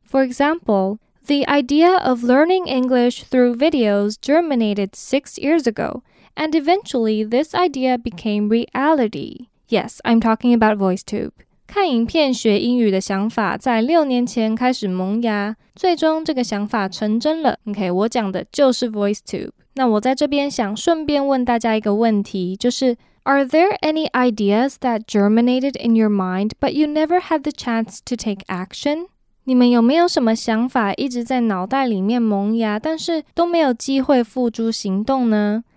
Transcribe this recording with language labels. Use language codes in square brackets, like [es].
[en] For example, the idea of learning English through videos germinated 6 years ago. And eventually, this idea became reality. Yes, I'm talking about VoiceTube. [zh] 看影片学英语的想法在6年前开始萌芽，最终这个想法成真了。 OK, 我讲的就是 VoiceTube. 那我在这边想顺便问大家一个问题，就是 [en] Are there any ideas that germinated in your mind, but you never had the chance to take action? [zh] 你们有没有什么想法一直在脑袋里面萌芽，但是都没有机会付诸行动呢？